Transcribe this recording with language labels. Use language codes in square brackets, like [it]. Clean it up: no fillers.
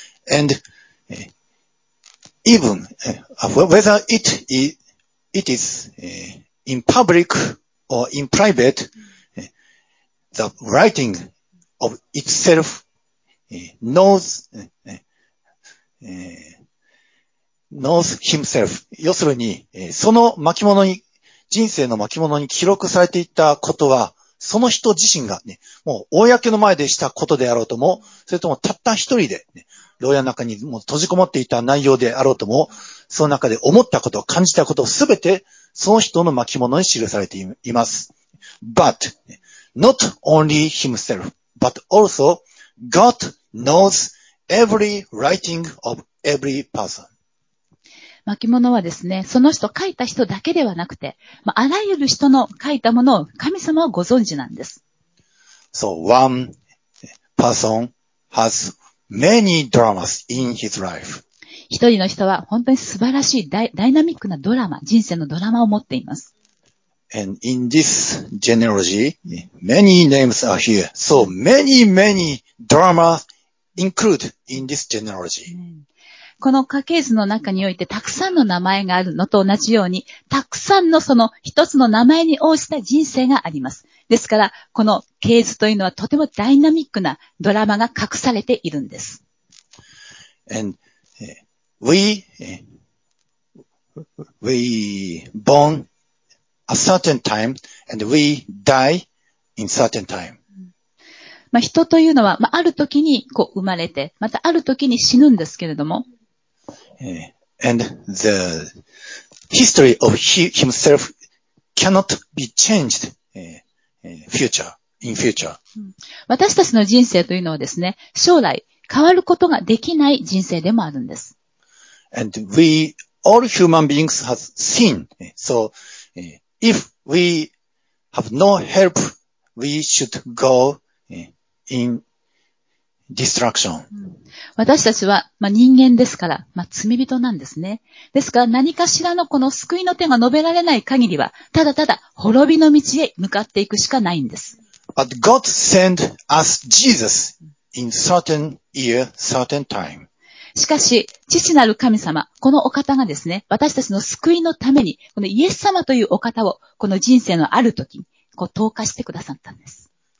[en] And, even, whether it is in public or in private, the writing of itself knows himself. [ja] 要するに、その巻物に、人生の巻物に記録されていったことは、その人自身がね、もう公の前でしたことであろうとも、それともたった一人で、ね、牢屋の中にもう閉じこもっていた内容であろうとも、その中で思ったこと、感じたことをすべて、その人の巻物に記されています。 [en] But, not only himself, but also, God knows every writing of every person. [ja] 巻物はですね、その人書いた人だけではなくて、まあ、あらゆる人の書いたものを神様はご存知なんです。 [en] So, one person has many dramas in his life. [ja] 一人の人は本当に素晴らしい ダイナミックなドラマ、人生のドラマを持っています。 [en] And in this genealogy, many names are here. So many, many drama include in this genealogy. [ja] この家系図の中においてたくさんの名前があるのと同じように、たくさんのその一つの名前に応じた人生があります。ですから、この系図というのはとてもダイナミックなドラマが隠されているんです。 [en] And we born a certain time and we die in certain time. [ja] まあ、人というのは、まあ、ある時にこう生まれて、またある時に死ぬんですけれども。 [en] And the history of himself cannot be changed in future. [ja] 私たちの人生というのはですね、将来変わることができない人生でもあるんです。 [en] And we, all human beings have sin. So, if we have no help, we should go in destruction. [ja] 私たちは、まあ、人間ですから、まあ、罪人なんですね。ですから何かしらのこの救いの手が述べられない限りは、ただただ滅びの道へ向かっていくしかないんです。 [en] But God sent us Jesus in certain year, certain time. [ja] しかし、父なる神様、このお方がですね、私たちの救いのために、このイエス様というお方を、この人生のある時に、こう、投下してくださったんです。